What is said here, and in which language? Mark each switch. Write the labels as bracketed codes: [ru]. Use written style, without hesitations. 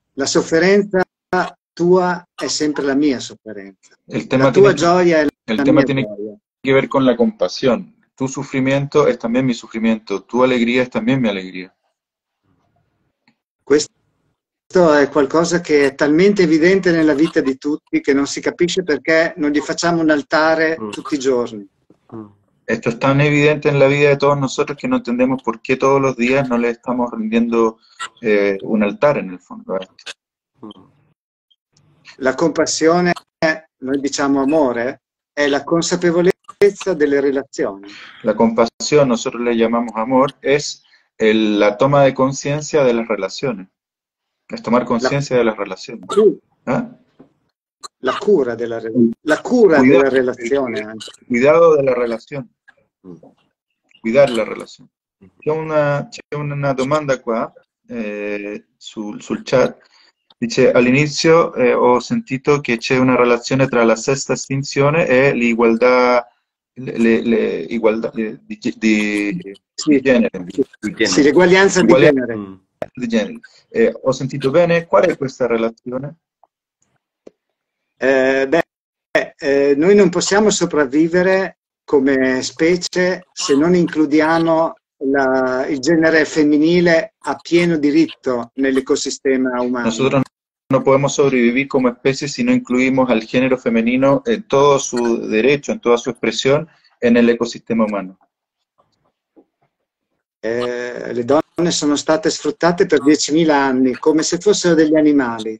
[it] La sofferenza tua è sempre la mia sofferenza. La tua gioia è la mia gioia. [es] Que ver con la compasión. Tu sufrimiento es también mi sufrimiento, tu alegría es también mi alegría. [it] Questo è qualcosa che è talmente evidente nella vita di tutti che non si capisce perché non gli facciamo un altare tutti i giorni. [es] Esto es tan evidente en la vida de todos nosotros que no entendemos por qué todos los días no le estamos rindiendo un altare en el fondo. [it] La compassione, noi diciamo amore, è la consapevolezza delle relazioni. [es] La compasión, nosotros le llamamos amor, es la toma de conciencia de las relaciones. Es tomar conciencia de las relaciones. ¿Eh? La cura de la cura de la relación. Cuidado de la relación. Cuidar la relación. [it] C'è una domanda qua sul chat. Dice, all'inizio ho sentito che c'è una relazione tra la sesta estinzione e l'igualtà le igualdà di genere. Sì, l'eguaglianza di genere. Ho sentito bene, qual è questa relazione? Noi non possiamo sopravvivere come specie se non includiamo il genere femminile a pieno diritto nell'ecosistema umano. [es] Nosotros no podemos sobrevivir como especie si no incluimos al género femenino en todo su derecho, en toda su expresión en el ecosistema humano. [it] Le donne sono state sfruttate per 10.000 anni come se fossero degli animali.